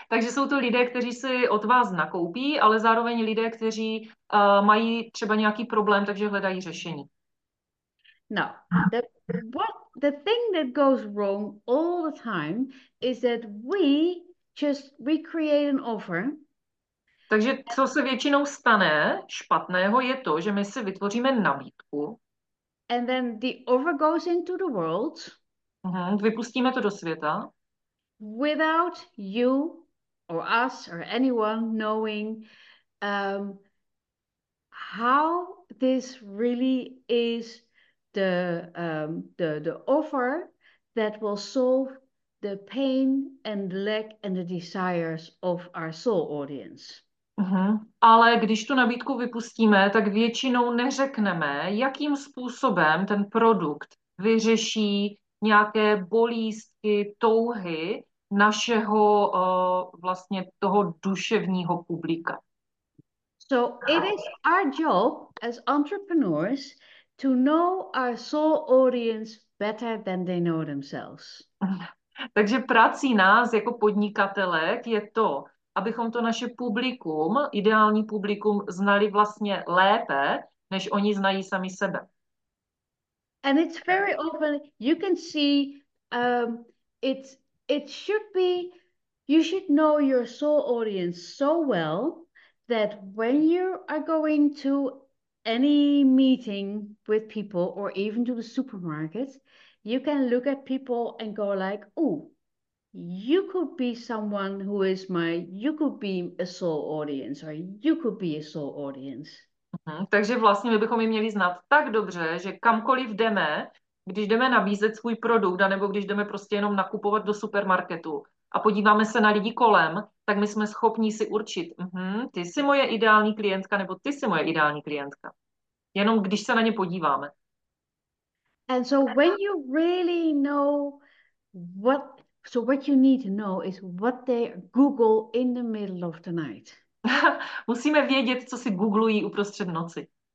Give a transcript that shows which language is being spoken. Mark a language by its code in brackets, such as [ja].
[cs] Takže jsou to lidé, kteří si od vás nakoupí, ale zároveň lidé, kteří mají třeba nějaký problém, takže hledají řešení. [en] Now, the thing that goes wrong all the time is that we create an offer. [cs] Takže co se většinou stane špatného, je to, že my si vytvoříme nabídku. [en] And then the offer goes into the world. [cs] Vypustíme to do světa. [en] Without you or us or anyone knowing how this really is the offer that will solve the pain and lack and the desires of our soul audience. [cs] Ale když tu nabídku vypustíme, tak většinou neřekneme, jakým způsobem ten produkt vyřeší nějaké bolístky, touhy našeho vlastně toho duševního publika. [en] So it is our job as entrepreneurs to know our soul audience better than they know themselves. [cs] Takže prací nás jako podnikatelek je to, abychom to naše publikum, ideální publikum, znali vlastně lépe, než oni znají sami sebe. [en] And it's very often you can see it should be you should know your soul audience so well that when you are going to any meeting with people or even to the supermarket, you can look at people and go like, oh, you could be someone who is my, you could be a soul audience or you could be a soul audience. [cs] Takže vlastně my bychom ji měli znát tak dobře, že kamkoliv jdeme, když jdeme nabízet svůj produkt, anebo když jdeme prostě jenom nakupovat do supermarketu a podíváme se na lidi kolem, tak my jsme schopni si určit, ty jsi moje ideální klientka, nebo ty jsi moje ideální klientka. Jenom když se na ně podíváme. [en] And so when you really know what you need to know is what they Google in the middle of the night. [cs] Musíme vědět, co si googlují uprostřed noci.